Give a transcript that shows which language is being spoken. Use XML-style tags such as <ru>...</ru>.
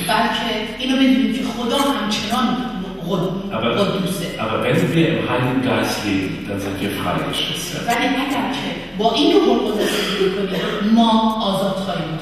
<fa>بلکه اینو بدونیم که خدا همچنان قدوسه.</fa> <de>Aber wenn wir im Heiligen Geist leben, dann sind wir freigeschwister.</de> <fa>ولی اگر که با این روح القدس زندگی کنیم ما آزاد خواهیم</fa>